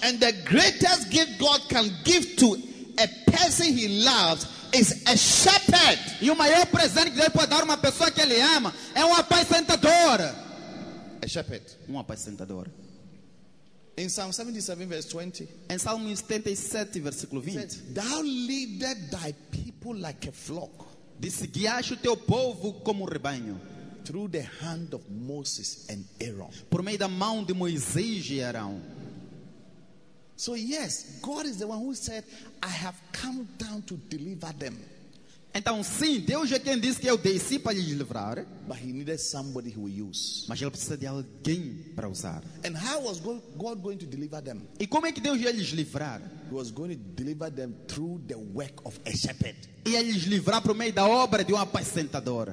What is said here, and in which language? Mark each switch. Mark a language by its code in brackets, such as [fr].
[en] And the greatest gift God can give to a person He loves is a shepherd. [pt] E o maior presente que Deus pode dar a uma pessoa que Ele ama é um apacentador. [en] A shepherd. [pt] Um apacentador. [en] In Psalm 77, verse 20. [pt] Em Salmo 77, versículo 20. [en] Said, thou leadest thy people like a flock. [pt] Disse, guiaste o teu povo como rebanho. [en] Through the hand of Moses and Aaron. [pt] Por meio da mão de Moisés e Arão. [en] So yes, God is the one who said, I have come down to deliver them. [pt] Então sim, Deus é quem disse que eu desci para lhes livrar. [en] But he needed somebody who will use. [pt] Mas ele precisa de alguém para usar. [en] And how was God going to deliver them? [pt] E como é que Deus ia lhes livrar? [en] He was going to deliver them through the work of a shepherd. [pt] Ia lhes livrar por meio da obra de um apacentador.